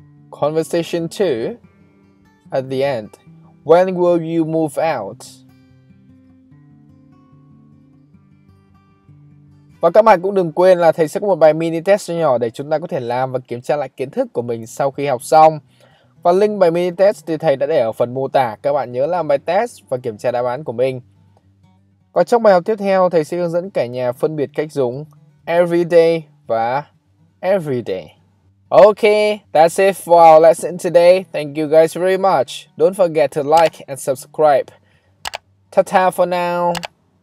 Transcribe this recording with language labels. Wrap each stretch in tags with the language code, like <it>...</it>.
<en>Conversation 2, at the end, when will you move out?</en> <vi>Và các bạn cũng đừng quên là thầy sẽ có một bài mini test nhỏ để chúng ta có thể làm và kiểm tra lại kiến thức của mình sau khi học xong. Và link bài mini test thì thầy đã để ở phần mô tả. Các bạn nhớ làm bài test và kiểm tra đáp án của mình. Và trong bài học tiếp theo, thầy sẽ hướng dẫn cả nhà phân biệt cách dùng everyday và everyday.</vi> <en>Okay, that's it for our lesson today. Thank you guys very much. Don't forget to like and subscribe. Ta-ta for now.</en>